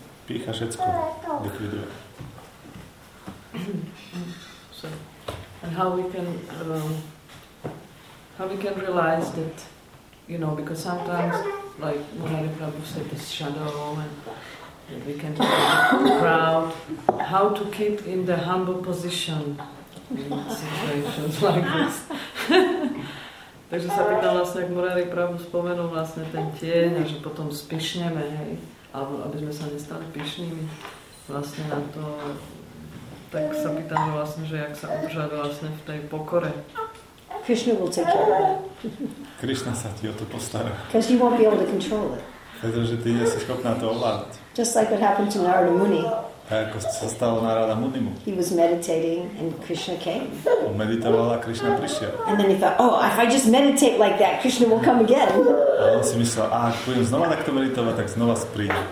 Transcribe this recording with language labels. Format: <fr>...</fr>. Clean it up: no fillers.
<sk>Pýcha všetko likviduje.</sk> <en>So, and how we can realize that, you know, because sometimes, like Mahārāja Prabhu said, this shadow and we can be proud. How to keep in the humble position in situations like this?</en> <sk>Takže sa pýtam vlastne, ak Murari pravdu spomenul vlastne ten tieň a že potom spíšneme, hej, aby sme sa nestali pyšnými vlastne na to. Tak sa pýtam vlastne, že jak sa udržať vlastne v tej pokore.</sk> <en>Krishna will take care of it.</en> <sk>Krishna sa ti o to postará.</sk> <en>Because you won't be able to control it.</en> <sk>Pretože ty nie si schopná to ovládať.</sk> <en>Just like what happened to Narada Muni.</en> <sk>Tak ako sa stalo Narada Munimu.</sk> <en>He was meditating and Krishna came.</en> <sk>On meditoval a Krishna prišiel.</sk> <en>And then he thought, oh, if I just meditate like that, Krishna will come again.</en> <sk>A on si myslel, ak budem znova takto meditovať, tak znova spríde.</sk>